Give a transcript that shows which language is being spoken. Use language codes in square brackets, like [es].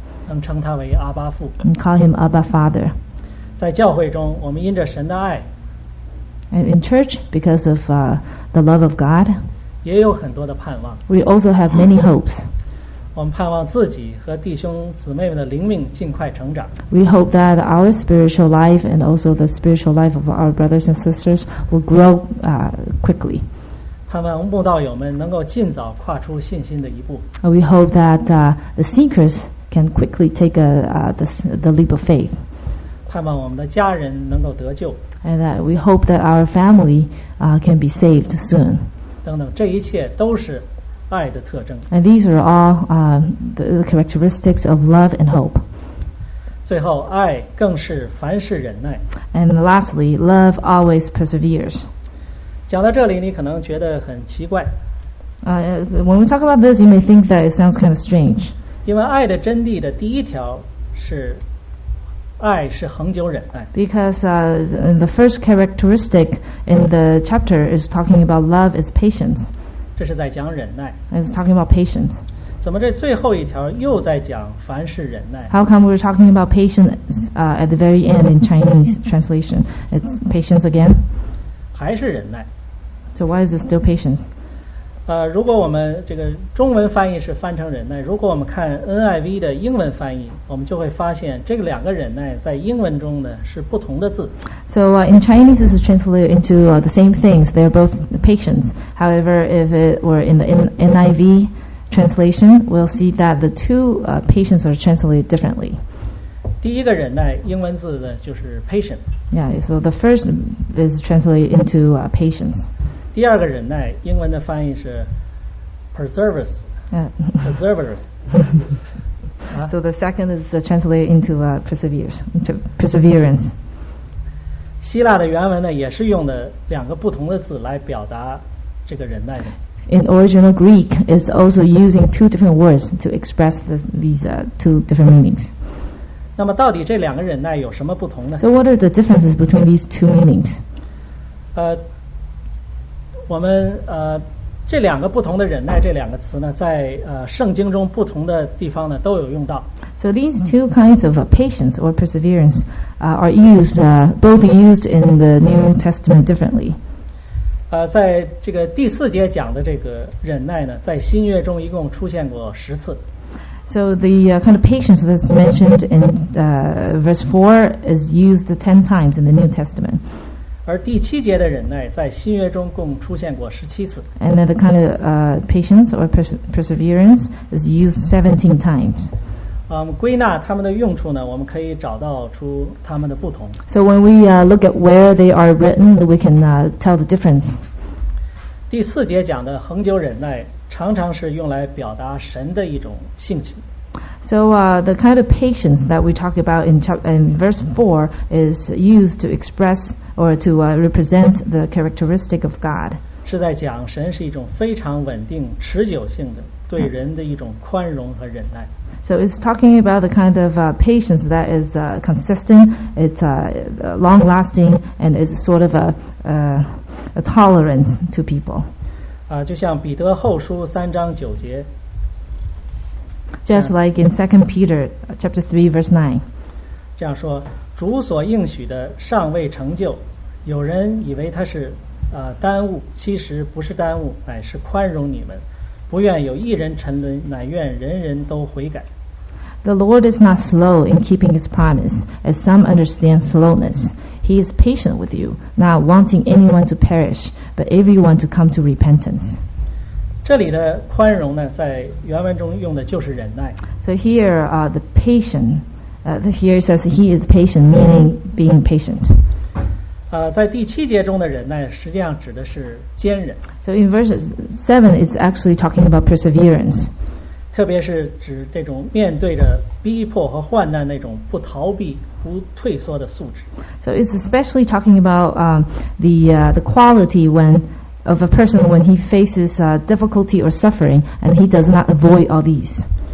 [zh] 能称他为阿爸父。 [en] And call him Abba Father. [zh] 在教会中，我们因着神的爱。 [en] And in church, because of the love of God. [zh] 也有很多的盼望。 [en] We also have many hopes. [zh] 我们盼望自己和弟兄姊妹们的灵命尽快成长。 [en] We hope that our spiritual life and also the spiritual life of our brothers and sisters will grow quickly. [zh] 盼望慕道友们能够尽早跨出信心的一步。 [en] We hope that the seekers can quickly take the leap of faith. [zh] 盼望我们的家人能够得救。 [en] And that we hope that our family can be saved soon. [zh] 等等，这一切都是爱的特征。 [en] And these are all the characteristics of love and hope. [zh] 最后，爱更是凡事忍耐。 [en] And lastly, love always perseveres. [zh] 讲到这里，你可能觉得很奇怪。 [en] When we talk about this, you may think that it sounds kind of strange. [zh] 因为爱的真谛的第一条是，爱是恒久忍耐。 [en] Because the first characteristic in the chapter is talking about love is patience. [zh] 这是在讲忍耐。 [en] It's talking about patience. [zh] 怎么这最后一条又在讲凡事忍耐 [en] ？How come we're talking about patience at the very end in Chinese translation? It's patience again. [zh] 还是忍耐。 [en] So why is it still patience? [zh] 如果我们这个中文翻译是翻成忍耐，如果我们看 NIV 的英文翻译，我们就会发现这个两个忍耐在英文中呢是不同的字。 [en] So in Chinese, this is translated into the same things. They are both patience. However, if it were in the NIV translation, we'll see that the two patience are translated differently. [zh] 第一个忍耐，英文字呢就是 patience. [en] Yeah. So the first is translated into patience. [zh] 第二个忍耐，英文的翻译是 perseverance. Perseverance. [en] So the second is translated into perseverance. [zh] 希腊的原文呢，也是用的两个不同的字来表达这个忍耐的。 [en] In original Greek, it's also using two different words to express these two different meanings. [zh] 那么到底这两个忍耐有什么不同呢 [en] ？So what are the differences between these two meanings? [zh] 我们这两个不同的忍耐这两个词呢，在圣经中不同的地方呢都有用到。 [en] So these two kinds of patience or perseverance are used both used in the New Testament differently. [zh] 在这个第四节讲的这个忍耐呢，在新约中一共出现过十次。 [en] So the kind of patience that's mentioned in verse 4 is used 10 times in the New Testament. [zh] 而第七节的忍耐在新约中共出现过十七次。 [en] And the kind of patience or perseverance is used 17 times. [zh] 归纳它们的用处呢，我们可以找到出它们的不同。 [en] So when we look at where they are written, we can tell the difference. [zh] 第四节讲的恒久忍耐，常常是用来表达神的一种性情。 [en] So the kind of patience that we talk about in verse 4 is used to express or to represent the characteristic of God. [zh] 是在讲神是一种非常稳定、持久性的对人的一种宽容和忍耐。 [en] So it's talking about the kind of patience that is consistent, it's long-lasting, and is sort of a tolerance to people. [zh] 就像彼得后书三章九节。 [en] Just like in 2 Peter chapter 3 verse 9. [zh] 这样说，主所应许的尚未成就，有人以为他是耽误，其实不是耽误，乃是宽容你们，不愿有一人沉沦，乃愿人人都悔改。 [en] The Lord is not slow in keeping his promise, as some understand slowness. He is patient with you, not wanting anyone to perish, but everyone to come to repentance. [zh] 这里的宽容呢，在原文中用的就是忍耐。 [en] So here, the patient, here it says he is patient, meaning being patient. [zh] 在第七节中的忍耐，实际上指的是坚忍。 [en] So in verse 7, it's actually talking about perseverance. [zh] 特别是指这种面对着逼迫和患难那种不逃避、不退缩的素质。 [en] So it's especially talking about the quality when. Of a person when he faces difficulty or suffering, and he does not avoid all these.